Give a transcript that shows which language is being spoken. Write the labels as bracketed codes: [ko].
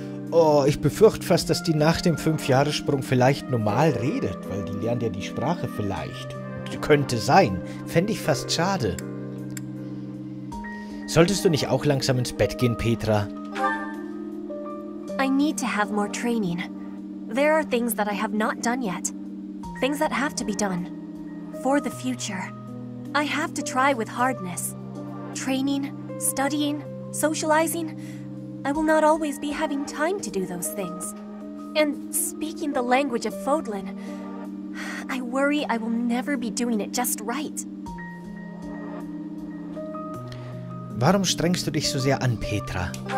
[de] Oh, ich befürchte fast, dass die nach dem 5-Jahres-Sprung vielleicht normal redet, weil die lernt ja die Sprache vielleicht. Könnte sein. Fände ich fast schade. Solltest du nicht auch langsam ins Bett gehen, Petra? [en] I need to have more training. There are things that I have not done yet. Things that have to be done. For the future. I have to try with hardness. Training, studying, socializing. I will not always be having time to do those things. And speaking the language of Fodlan, I worry I will never be doing it just right. [de] Warum strengst du dich so sehr an, Petra?